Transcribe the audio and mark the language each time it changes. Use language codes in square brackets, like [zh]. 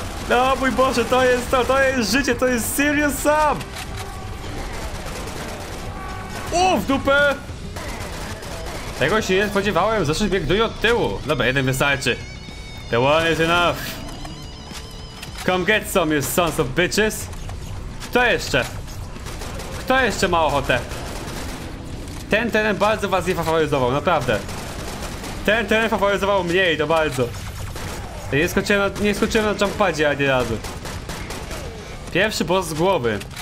[pl] No mój Boże, to jest życie, to jest Serious Sam! Uff, dupę! Tego się nie spodziewałem, zawsze mnie gnuje od tyłu. Dobra, jeden wystarczy. [en] The one is enough. Come get some, you sons of bitches. [pl] Kto jeszcze? Kto jeszcze ma ochotę? Ten teren bardzo was nie faworyzował, naprawdę. Ten teren faworyzował mnie i to bardzo. Nie skoczyłem na jumppadzie ani razu. Pierwszy boss z głowy.